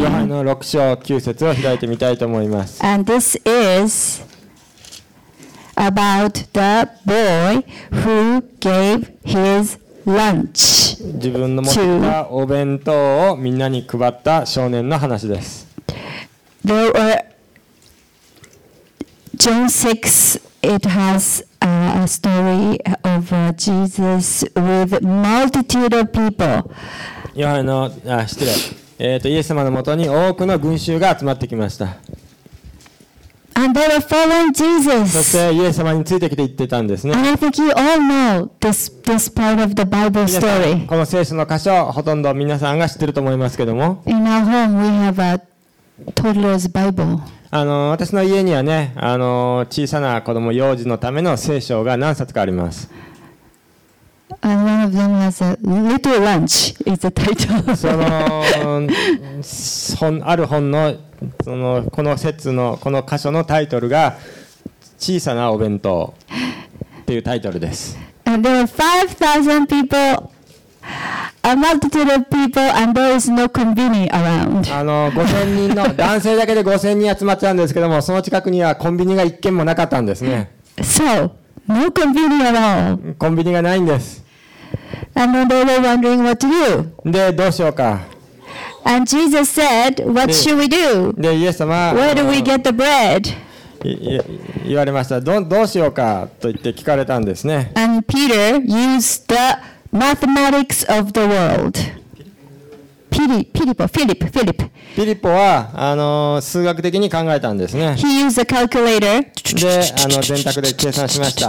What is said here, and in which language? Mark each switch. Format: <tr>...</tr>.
<ja>ヨハネの6章9節を開いてみたいと思います。</ja> <en>And this is about the boy who gave his lunch.</en> <ja>自分の持ったお弁当をみんなに配った少年の話です。</ja> <en>There were John 6, it has a story of Jesus with multitude of people.</en> <ja>ヨハネの、あ、失礼。イエス様のもとに多くの群衆が集まってきました。</ja> <en>And they were following Jesus.</en> <ja>そしてイエス様についてきて言ってたんですね。</ja> <en>And I think you all know this part of the Bible story.</en> <ja>この聖書の箇所、ほとんど皆さんが知ってると思いますけども。</ja> <en>In our home, we have a toddler's Bible.</en> <ja>あの私の家にはね、あの小さな子供、幼児のための聖書が何冊かあります。</ja> <en>And one of them has a little lunch. It's a title.</en> <ja>その本ある本のそのこの節のこの箇所のタイトルが小さなお弁当っていうタイトルです。</ja> <en>And there are 5,000 people, a multitude of people, and there is no convenience around.</en> <ja>あの5000人の男性だけで5000人集まってたんですけども、その近くにはコンビニが一軒もなかったんですね。</ja> <en>So. No convenience at all.</en> <ja>コンビニがないんです。</ja> <en>And then they were wondering what to do.</en> <ja>で、どうしようか。</ja> <en>And Jesus said, what should we do?</en> <ja>で、イエス様、</ja> <en>Where do we get the bread?</en> <ja>言われました。どうしようかと言って聞かれたんですね。</ja> <en>And Peter used the mathematics of the world. Philip.</en> <ja>ピリポは数学的に考えたんですね。</ja> <en>He used a calculator.</en> <ja>で、電卓で計算しました。</ja>